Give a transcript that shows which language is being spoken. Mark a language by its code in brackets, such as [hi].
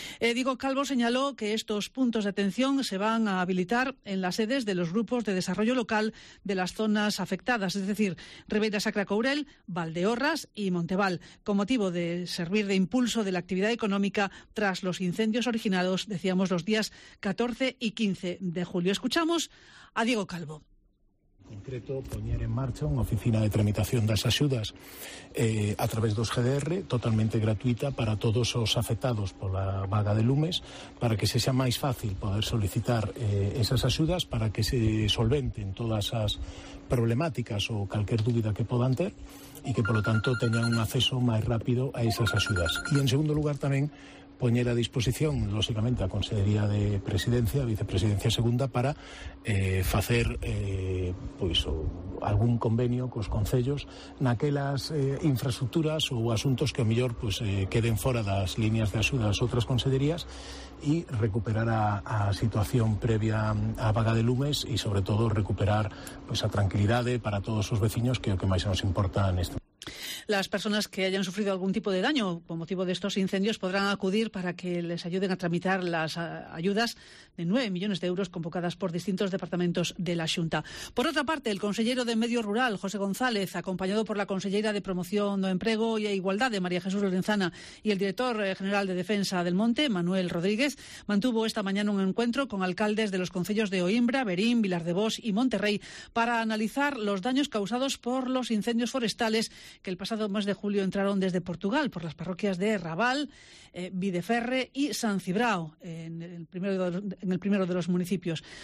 [es] Diego Calvo señaló que estos puntos de atención se van a habilitar en las sedes de los grupos de desarrollo local de las zonas afectadas, es decir, Ribeira Sacra Courel, Valdeorras y Montebal, con motivo de servir de impulso de la actividad económica tras los incendios originados, decíamos, los días 14 y 15 de julio. Escuchamos a Diego Calvo. [gl] En concreto, poñer en marcha unha oficina de tramitación das axudas a través dos GDR, totalmente gratuita para todos os afectados pola vaga de lumes, para que se xa máis fácil poder solicitar esas axudas, para que se solventen todas as problemáticas ou calquer dúbida que podan ter e que, polo tanto, teñan un acceso máis rápido a esas axudas. E, en segundo lugar, tamén poñer a disposición, lóxicamente, a Consellería de Presidencia, a Vicepresidencia Segunda, para facer pois, o, algún convenio cos concellos naquelas infraestructuras ou asuntos que, ao mellor, pois, queden fora das líneas de axuda das outras consellerías e recuperar a situación previa á vaga de lumes e, sobre todo, recuperar pois, a tranquilidade para todos os veciños, que é o que máis nos importa neste momento. [es] Las personas que hayan sufrido algún tipo de daño con motivo de estos incendios podrán acudir para que les ayuden a tramitar las ayudas de 9 millones de euros convocadas por distintos departamentos de la Xunta. Por otra parte, el consellero de Medio Rural, José González, acompañado por la consellera de Promoción de Empleo y Igualdad, de María Jesús Lorenzana, y el director general de Defensa del Monte, Manuel Rodríguez, mantuvo esta mañana un encuentro con alcaldes de los concellos de Oímbra, Verín, Vilar de Bos y Monterrey para analizar los daños causados por los incendios forestales que el pasado mes de julio entraron desde Portugal por las parroquias de Rabal, Videferre y San Cibrao, en el primero de los municipios.